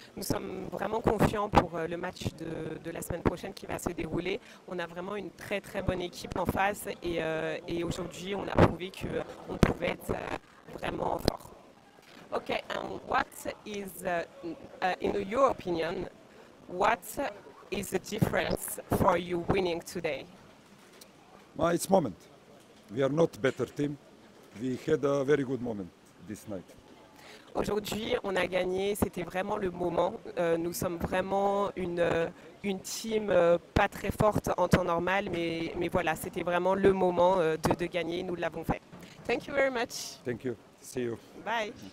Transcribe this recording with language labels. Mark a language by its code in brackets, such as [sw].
[fr] Nous sommes vraiment confiants pour le match de la semaine prochaine qui va se dérouler. On a vraiment une très très bonne équipe en face et aujourd'hui on a prouvé que on pouvait être vraiment fort. [en] Okay, and what is in your opinion, what is the difference for you winning today? Well, it's moment. We are not better team. We had a very good moment this night. [fr] Aujourd'hui, on a gagné. C'était vraiment le moment. Nous sommes vraiment une team pas très forte en temps normal, mais voilà, c'était vraiment le moment de gagner. Nous l'avons fait. [en] Thank you very much. Thank you. See you. Bye.